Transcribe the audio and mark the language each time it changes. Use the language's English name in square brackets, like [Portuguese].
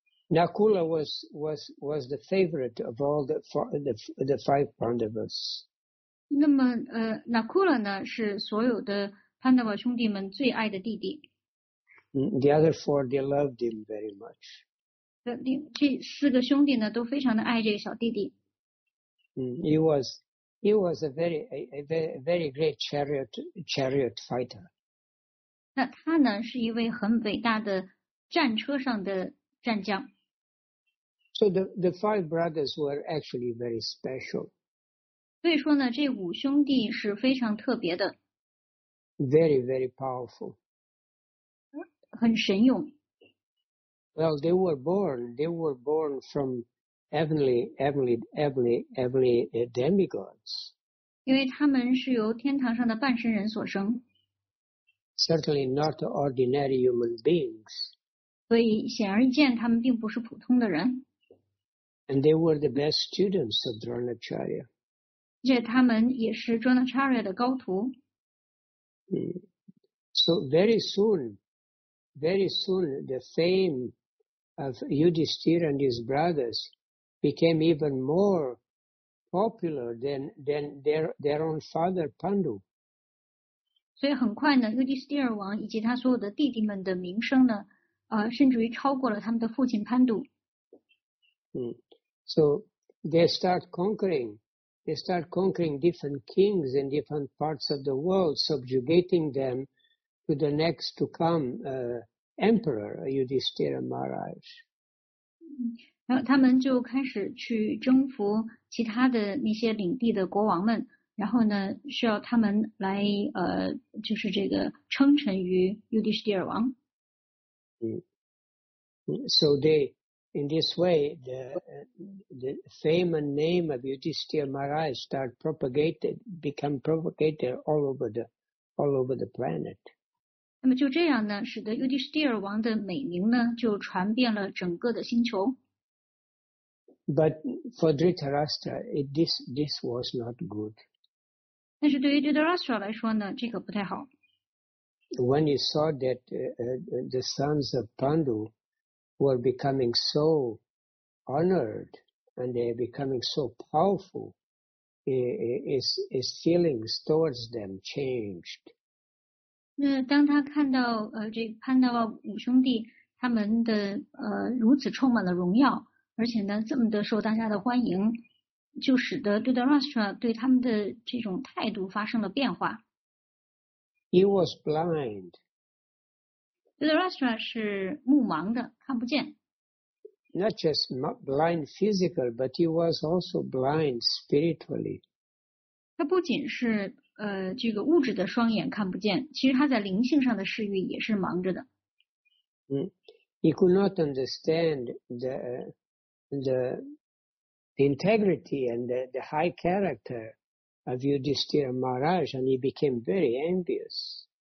[English] Nakula was the favorite of all the five Pandavas. [Chinese] 那么Nakula 呢，是所有的 Pandava 兄弟们最爱的弟弟。 [English] The other four, they loved him very much. [Chinese] 这四个兄弟呢，都非常的爱这个小弟弟。 [English] He was a very great chariot fighter. [Chinese] 那他呢，是一位很伟大的战车上的战将。 [English] So the five brothers were actually very special. [Chinese] 所以说呢，这五兄弟是非常特别的。 [English] Very, very powerful. [Chinese] 很神勇。 [English] Well, they were born from heavenly demigods. [Chinese] 因为他们是由天堂上的半神人所生。 [English] Certainly not ordinary human beings. [Chinese] 所以显而易见，他们并不是普通的人。 [English] And they were the best students of Dronacharya. [Chinese] 而且他们也是 Dronacharya 的高徒。 [English] So very soon, the fame of Yudhisthira and his brothers became even more popular than their own father Pandu. [Chinese] 所以很快呢，尤迪斯蒂尔王以及他所有的弟弟们的名声呢，甚至于超过了他们的父亲潘都。 [English] So they start conquering different kings in different parts of the world, subjugating them to the next to come emperor, Yudhisthira Maharaj. [Chinese] 然后他们就开始去征服其他的那些领地的国王们，然后呢，需要他们来就是这个称臣于尤迪士迪尔王。 [English] So they, in this way, the fame and name of Yudhisthira Maharaj become propagated all over the planet. [Chinese] 那么就这样呢，使得尤迪士迪尔王的美名呢，就传遍了整个的星球。 [English] But for Dhritarashtra, this was not good. [Chinese] 但是对于 Dhritarashtra 来说呢，这个不太好。 [English] When he saw that the sons of Pandu were becoming so honored and they are becoming so powerful, his feelings towards them changed. [Chinese] 那当他看到这个 Pandava 五兄弟他们的如此充满了荣耀，而且呢，这么的受大家的欢迎，就使得 Dhritarashtra 对他们的这种态度发生了变化。 [English] He was blind. [Chinese] Dhritarashtra 是目盲的，看不见。 [English] not just blind physical, but he was also blind spiritually. [Chinese] 他不仅是这个物质的双眼看不见，其实他在灵性上的视域也是盲着的。 [English] He could not understand the integrity and the high character of Yudhishthira Maharaj, and he became very envious.